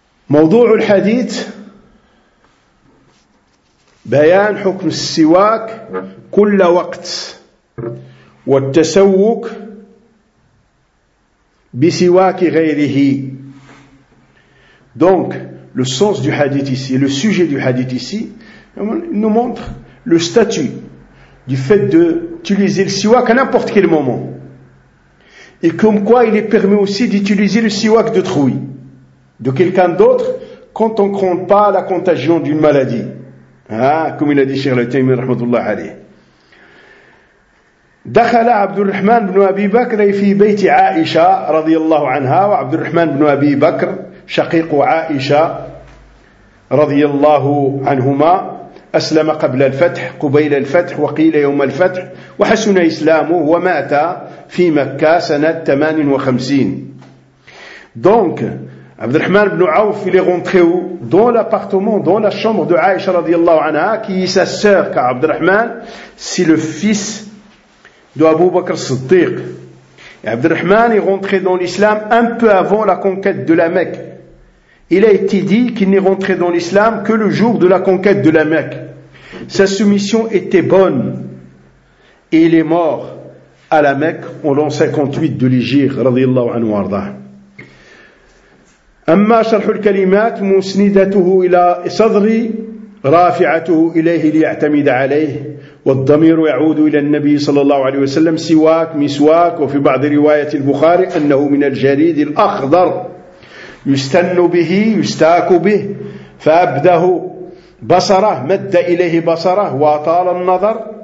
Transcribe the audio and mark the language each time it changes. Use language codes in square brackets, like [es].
[ar] موضوع الحديث بيان حكم السواك كل وقت والتسوك بسواك غيره. [fr] Donc le sens du hadith ici, le sujet du hadith ici, nous montre le statut du fait d'utiliser le siwak à n'importe quel moment, et comme quoi il est permis aussi d'utiliser le siwak d'autrui, de quelqu'un d'autre, quand on ne craint pas la contagion d'une maladie. Ah, comme il a dit Cheikh Al-Taymi rahmatullah alayh. [ar] دخل عبد الرحمن بن ابي بكر في بيت عائشه رضي الله عنها. وعبد الرحمن بن ابي بكر شقيق عائشه رضي الله عنهما، اسلم قبل الفتح قبيل الفتح وقيل يوم الفتح، وحسن اسلامه ومات في مكه سنه 58. دونك [fr] Abd al-Rahman ibn Awf, il est rentré où? Dans l'appartement, dans la chambre de Aïcha radiallahu anha, qui est sa sœur, car Abd al-Rahman, c'est le fils de Abu Bakr Siddiq. Et Abd al-Rahman est rentré dans l'islam un peu avant la conquête de la Mecque. Il a été dit qu'il n'est rentré dans l'islam que le jour de la conquête de la Mecque. Sa soumission était bonne. Et il est mort à la Mecque en l'an 58 de l'Hijra radiallahu anhu arda. [ar] أما شرح الكلمات مسندته إلى صدري رافعته إليه ليعتمد عليه، والضمير يعود إلى النبي صلى الله عليه وسلم، سواك مسواك، وفي بعض رواية البخاري أنه من الجريد الأخضر يستن به يستاك به، فأبده بصره مد إليه بصره وأطال النظر،